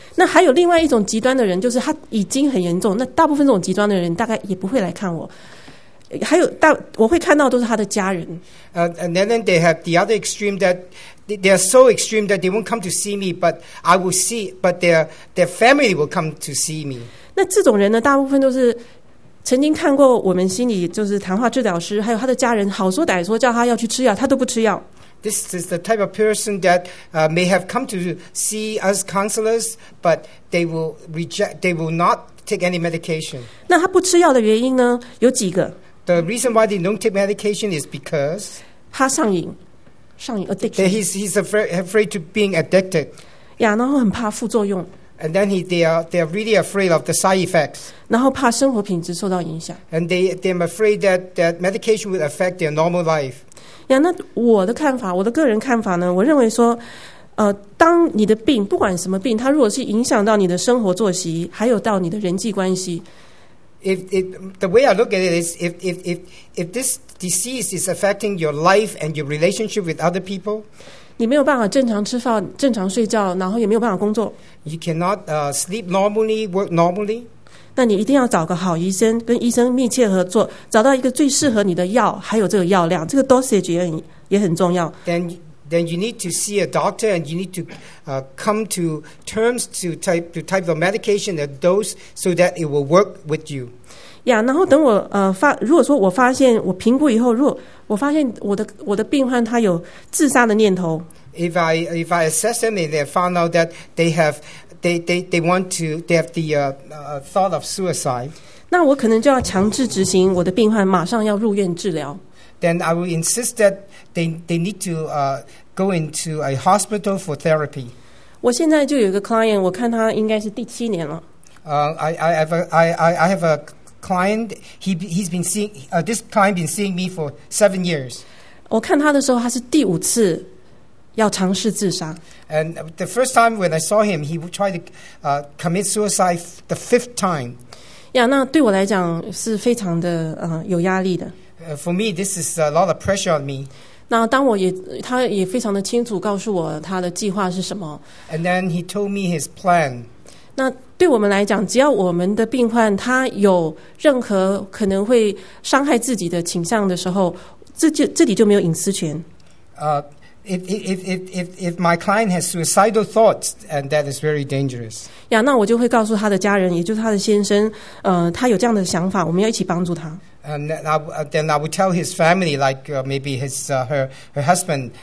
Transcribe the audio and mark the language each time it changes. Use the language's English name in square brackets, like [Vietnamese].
[Chinese] 那还有另外一种极端的人，就是他已经很严重，那大部分这种极端的人大概也不会来看我。还有我会看到都是他的家人。 [English] And then they have the other extreme that they are so extreme that they won't come to see me, but I will see, but their family will come to see me. [Chinese] 那这种人呢，大部分都是。曾经看过我们心理就是谈话治疗师还有他的家人好说歹说叫他要去吃药他都不吃药。 [English] This is the type of person that may have come to see us counselors, but they will not take any medication. [Chinese] 那他不吃药的原因呢有几个。 [English] The reason why they don't take medication is because [Chinese] 他上瘾 addiction. [English] He's afraid to being addicted. [Chinese] 呀然后很怕副作用。 [English] And then they are really afraid of the side effects. [Chinese] 然后怕生活品质受到影响。 [English] And they are afraid that medication would affect their normal life. [Chinese] Yeah, 那我的看法，我的个人看法呢？我认为说，当你的病，不管什么病，它如果是影响到你的生活作息，还有到你的人际关系。 [English] If the way I look at it is if this disease is affecting your life and your relationship with other people. [Chinese] 你没有办法正常吃饭、正常睡觉，然后也没有办法工作。 [English] You cannot sleep normally, work normally. [Chinese] 那你一定要找个好医生，跟医生密切合作，找到一个最适合你的药，还有这个药量，这个 dosage 也很重要。 [English] Then then you need to see a doctor and you need to come to terms to type the medication, the dose, so that it will work with you. [Chinese] Yeah, 然后等我发现我的病患他有自杀的念头。 [English] If I assess them and they found out that they have the thought of suicide, [Chinese] 那我可能就要强制执行我的病患马上要入院治疗。 [English] Then I will insist that they need to go into a hospital for therapy. [Chinese] 我现在就有一个 client, 我看他应该是第七年了。 [English] I have a client, this client been seeing me for 7 years. [Chinese] 我看他的时候他是第五次。 [English] And the first time when I saw him, he tried to commit suicide the fifth time. [Chinese] Yeah, 那对我来讲是非常的, [English] For me, this is a lot of pressure on me. [Chinese] 那当我也,他也非常的清楚告诉我他的计划是什么。 [English] And then he told me his plan. [Chinese] 那对我们来讲,只要我们的病患他有任何可能会伤害自己的倾向的时候,这里就没有隐私权。 [English] If my client has suicidal thoughts, and that is very dangerous. [Chinese] Yeah, 那我就会告诉他的家人，也就是他的先生，他有这样的想法，我们要一起帮助他。 [English] And then I would tell his family, like maybe his her husband.